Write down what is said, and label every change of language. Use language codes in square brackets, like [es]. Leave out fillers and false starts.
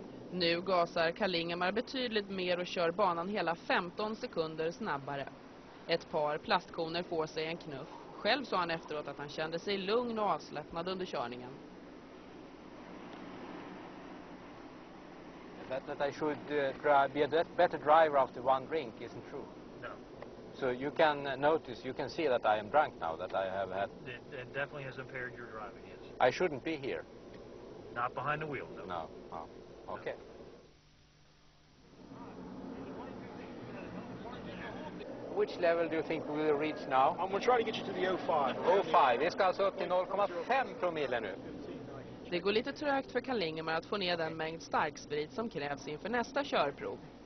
[sv] Nu gasar Kalingemar betydligt mer och kör banan hela 15 sekunder snabbare. Ett par plastkoner får sig en knuff. Själv sa han efteråt att han kände sig lugn och avslappnad under körningen. [en] I bet that I should be a better driver after one drink isn't true. No. So you can notice, you can see that I am drunk now, that I have had... It definitely has impaired your driving, yes. I shouldn't be here. Not behind the wheel, though. No. Okay. Which level do you think we will reach now? I'm going to try to get you to the 0.5. 0.5. [sv] Det ska alltså upp till 0,5 promille nu. Det går lite trögt för Kalingemar att få ner den mängd starksprit som krävs inför nästa körprov.